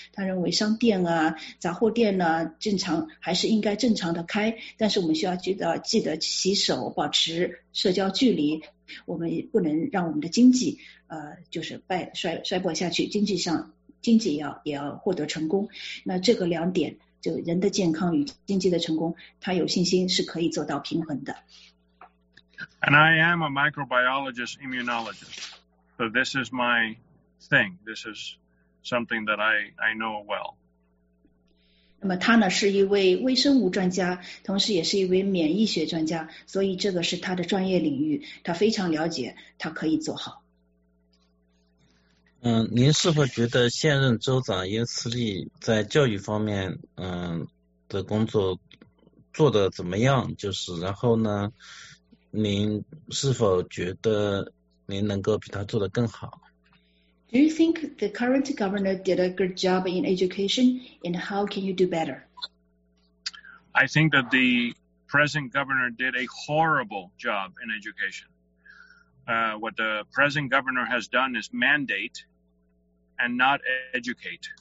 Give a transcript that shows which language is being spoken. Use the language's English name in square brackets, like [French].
[Chinese] 他认为商店啊杂货店呢、正常还是应该正常的开，但是我们需要记得洗手，保持社交距离，我们不能让我们的经济就是衰败下去，经济也要获得成功。那这个两点，就人的健康与经济的成功，他有信心是可以做到平衡的。 [English] And I am a microbiologist immunologist, so this is my thing. This is something that I know well. [Chinese] 那么他呢，是一位微生物专家，同时也是一位免疫学专家，所以这个是他的专业领域，他非常了解，他可以做好。您是否觉得现任州长耶斯利在教育方面的工作做得怎么样，就是然后呢您是否觉得您能够比他做得更好？ [English] Do you think the current governor did a good job in education and how can you do better? I think that the present governor did a horrible job in education. what the present governor has done is mandate and not educate.